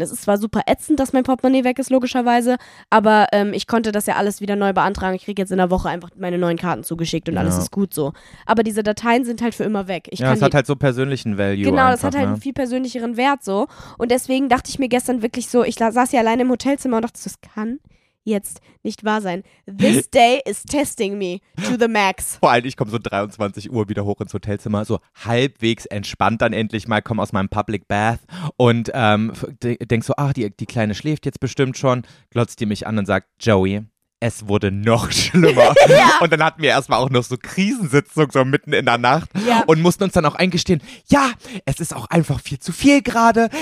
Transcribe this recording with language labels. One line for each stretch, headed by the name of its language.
German: Es ist zwar super ätzend, dass mein Portemonnaie weg ist, logischerweise, aber ich konnte das ja alles wieder neu beantragen. Ich kriege jetzt in der Woche einfach meine neuen Karten zugeschickt und alles ist gut so. Aber diese Dateien sind halt für immer weg. Hat halt so persönlichen Value. Genau, einfach, das hat halt einen viel persönlicheren Wert so. Und deswegen dachte ich mir gestern wirklich so, ich saß hier alleine im Hotelzimmer und dachte, das kann jetzt nicht wahr sein.
English: This day is testing me to the max.
German: Vor allem, ich komme so 23 Uhr wieder hoch ins Hotelzimmer, so halbwegs entspannt dann endlich mal, komme aus meinem Public Bath und denk so, ach, die Kleine schläft jetzt bestimmt schon, glotzt die mich an und sagt, Joey, es wurde noch schlimmer. Ja. Und dann hatten wir erstmal auch noch so Krisensitzung so mitten in der Nacht und mussten uns dann auch eingestehen, ja, es ist auch einfach viel zu viel gerade.